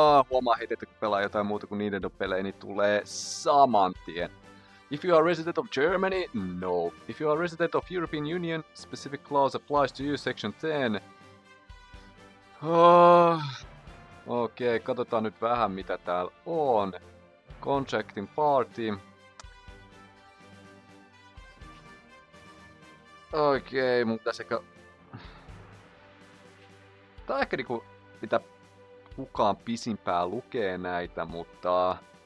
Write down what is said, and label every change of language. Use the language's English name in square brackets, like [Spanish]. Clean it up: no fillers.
[Finnish] huomaa heti, että kun pelaa jotain muuta kuin Nintendo-pelejä, niin tulee saman tien. [English] If you are a resident of Germany, no. If you are a resident of European Union, specific clause applies to you, section 10. [Finnish] Okei, katsotaan nyt vähän mitä täällä on. [English] Contracting party. [Finnish] Okei, mun pitäis ehkä... Tää on ehkä niinku, mitä kukaan pisimpää lukee näitä, mutta...